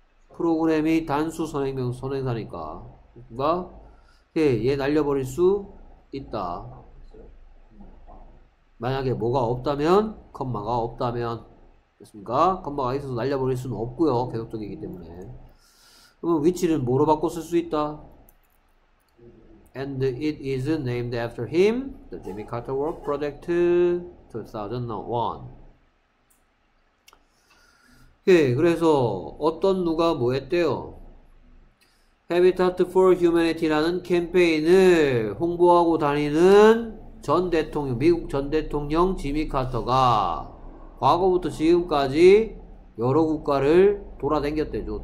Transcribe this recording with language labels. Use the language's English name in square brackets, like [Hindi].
[Korean] 프로그램이 단수 선행명 선행사니까 누가? 예, 얘 날려버릴 수 있다. 만약에 뭐가 없다면, 컴마가 없다면, 됐습니까? 컴마가 있어서 날려버릴 수는 없고요. 계속적이기 때문에. 그럼 위치는 뭐로 바꿔 쓸수 있다? [English] And it is named after him, the Jimmy Carter Work Project 2001. [Korean] 예, 그래서 어떤 누가 뭐 했대요? Habitat for Humanity라는 캠페인을 홍보하고 다니는 전 대통령, 미국 전 대통령 지미 카터가 과거부터 지금까지 여러 국가를 돌아댕겼대죠.